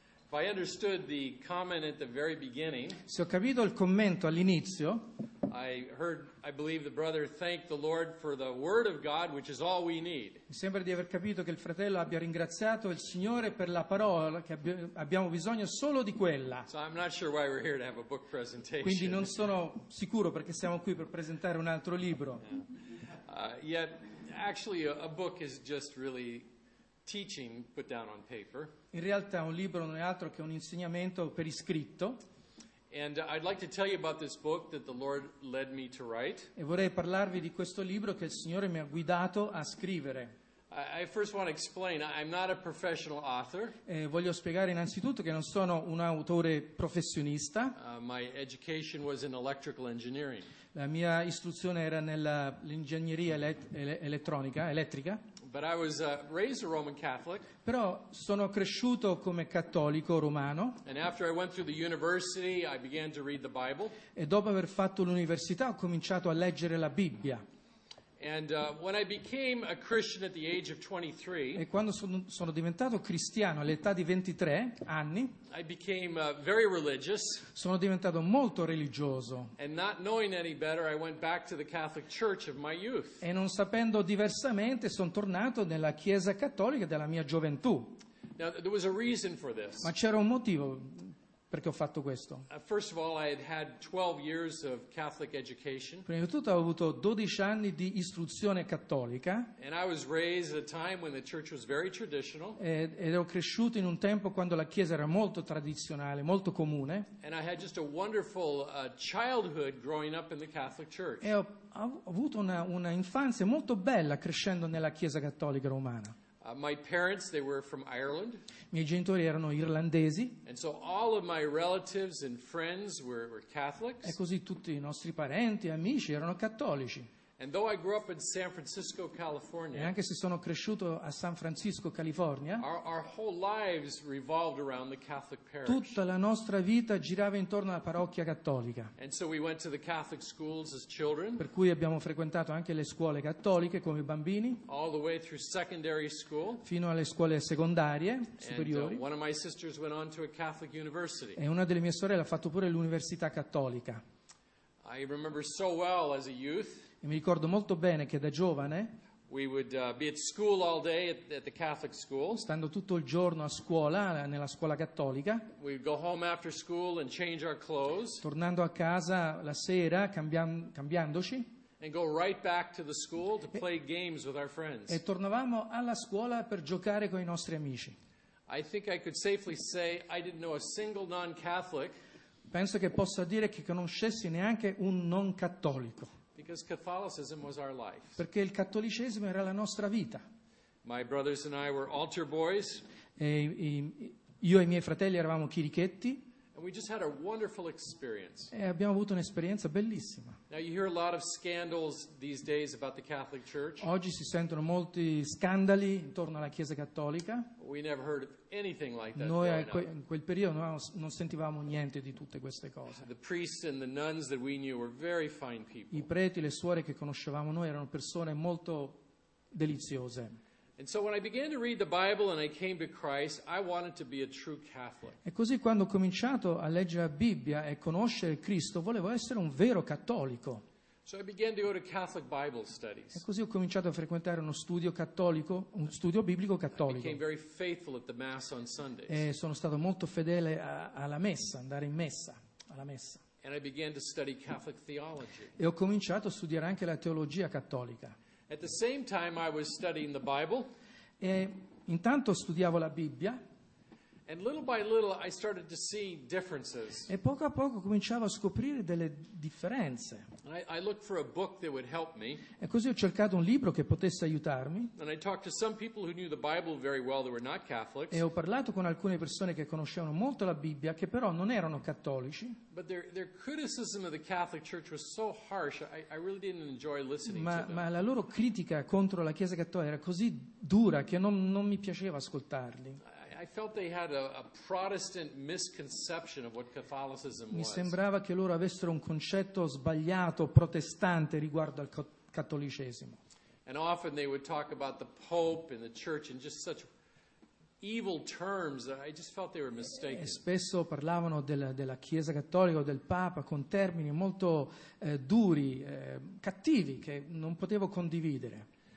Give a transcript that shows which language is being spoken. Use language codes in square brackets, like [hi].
[en] If I understood the comment at the very beginning, [it] se ho capito il commento all'inizio, [en] I believe the brother thanked the Lord for the word of God, which is all we need. [it] Mi sembra di aver capito che il fratello abbia ringraziato il Signore per la parola, che abbiamo bisogno solo di quella. [en] So I'm not sure why we're here to have a book presentation. [it] Quindi non sono sicuro perché siamo qui per presentare un altro libro. [en] Yet actually a book is just really teaching put down on paper. [it] In realtà un libro non è altro che un insegnamento per iscritto. [en] And I'd like to tell you about this book that the Lord led me to write. [it] E vorrei parlarvi di questo libro che il Signore mi ha guidato a scrivere. [en] I first want to explain, I'm not a professional author. [it] Voglio spiegare innanzitutto che non sono un autore professionista. [en] My education was in electrical engineering. [it] La mia istruzione era nell'ingegneria elettrica. [en] But I was raised a Roman Catholic. [it] Però sono cresciuto come cattolico romano. [en] And after I went through the university, I began to read the Bible. [it] E dopo aver fatto l'università ho cominciato a leggere la Bibbia. [en] And when I became a Christian at the age of 23, [it] e quando sono diventato cristiano all'età di 23 anni, [en] I became very religious. [it] Sono diventato molto religioso. [en] And not knowing any better, I went back to the Catholic Church of my youth. [it] E non sapendo diversamente, sono tornato nella Chiesa Cattolica della mia gioventù. [en] Now, there was a reason for this. [it] Ma c'era un motivo perché ho fatto questo. [en] First of all, I had had 12 years of Catholic education. [it] Prima di tutto ho avuto 12 anni di istruzione cattolica. [en] And I was raised at a time when the church was very traditional. [it] Ed ero cresciuto in un tempo quando la chiesa era molto tradizionale, molto comune. [en] And I had just a wonderful childhood growing up in the Catholic Church. [it] E ho avuto una infanzia molto bella crescendo nella Chiesa Cattolica Romana. [en] My parents, they were from Ireland. [it] I miei genitori erano irlandesi. [en] And so all of my relatives and friends were Catholics. [it] E così tutti i nostri parenti e amici erano cattolici. [en] And though I grew up in San Francisco, California, [it] e anche se sono cresciuto a San Francisco, California, [en] our whole lives revolved around the Catholic parish. [it] Tutta la nostra vita girava intorno alla parrocchia cattolica. [en] And so we went to the Catholic schools as children. [it] Per cui abbiamo frequentato anche le scuole cattoliche come bambini. [en] All the way through secondary school. [it] Fino alle scuole secondarie, superiori. [en] And one of my sisters went on to a Catholic university. [it] E una delle mie sorelle ha fatto pure l'università cattolica. [en] I remember so well as a youth. [it] E mi ricordo molto bene che da giovane, [en] we would be at school all day at the Catholic school. [it] Stando tutto il giorno a scuola nella scuola cattolica. [en] We would go home after school and change our clothes. [it] Tornando a casa la sera, cambiandoci. [en] And go right back to the school to play games with our friends. [it] E tornavamo alla scuola per giocare con i nostri amici. [en] I think I could safely say I didn't know a single non-Catholic. [it] Penso che possa dire che conoscessi neanche un non cattolico. [en] Because Catholicism was our life. [it] Perché il cattolicesimo era la nostra vita. [en] My brothers and I were altar boys. [it] Io e i miei fratelli eravamo chierichetti. [en] And we just had a wonderful experience. [it] E abbiamo avuto un'esperienza bellissima. [en] Now you hear a lot of scandals these days about the Catholic Church. [it] Oggi si sentono molti scandali intorno alla Chiesa Cattolica. [en] We never heard of anything like that. [it] Noi in quel periodo non sentivamo niente di tutte queste cose. [en] The priests and the nuns that we knew were very fine people. [it] I preti e le suore che conoscevamo noi erano persone molto deliziose. [en] And so when I began to read the Bible and I came to Christ, I wanted to be a true Catholic. [it] E così quando ho cominciato a leggere la Bibbia e conoscere Cristo, volevo essere un vero cattolico. [en] So I began to go to Catholic Bible studies. [it] E così ho cominciato a frequentare uno studio cattolico, un studio biblico cattolico. [en] I became very faithful at the Mass on Sundays. [it] E sono stato molto fedele alla messa, andare in messa, alla messa. [en] And I began to study Catholic theology. [it] E ho cominciato a studiare anche la teologia cattolica. [en] At the same time I was studying the Bible. [it] E intanto studiavo la Bibbia. [en] And little by little I started to see differences. [it] E poco a poco cominciavo a scoprire delle differenze. [en] I looked for a book that would help me. [it] E così ho cercato un libro che potesse aiutarmi. [en] And I talked to some people who knew the Bible very well that were not Catholics. [it] E ho parlato con alcune persone che conoscevano molto la Bibbia che però non erano cattolici. [en] But their criticism of the Catholic Church was so harsh. I really didn't enjoy listening to them. [it] Ma la loro critica contro la Chiesa Cattolica era così dura che non mi piaceva ascoltarli. [en] I felt they had a Protestant misconception of what Catholicism was. [it] Mi sembrava che loro avessero un concetto sbagliato protestante riguardo al cattolicesimo. [en] And often they would talk about the Pope and the Church in just such evil terms that I just felt they were mistaken. [it] E spesso parlavano della Chiesa Cattolica o del Papa con termini molto duri, cattivi, che non potevo condividere.